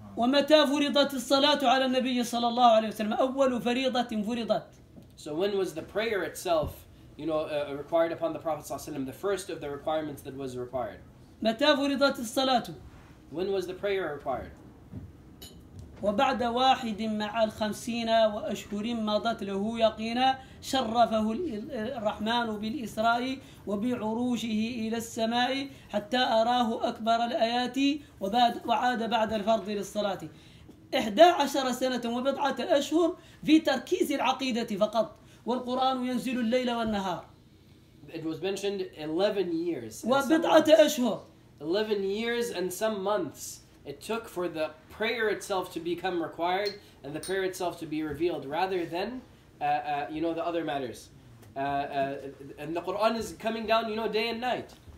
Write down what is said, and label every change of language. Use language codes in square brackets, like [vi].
[ar] ومتى فرضت الصلاة على النبي صلى الله عليه وسلم؟ أول فريضة فرضت. [en] So when was the prayer itself, you know, required upon the Prophet صلى الله عليه وسلم, the first of the requirements that was required? [ar] متى فرضت الصلاة؟ [en] When was the prayer required? [ar] وبعد واحد مع 50 أشهر مضت له يقينا شرفه الرحمن بالإسراء وبعروشه إلى السماء حتى أراه أكبر الآيات وعاد بعد الفرض للصلاة 11 سنة وبضعة أشهر في تركيز العقيدة فقط والقرآن ينزل الليل والنهار. [en] It was mentioned 11 years. [ar] وبضعة أشهر. [en] 11 years and some months it took for the prayer itself to become required and the prayer itself to be revealed rather than you know the other matters and the Quran is coming down you know day and night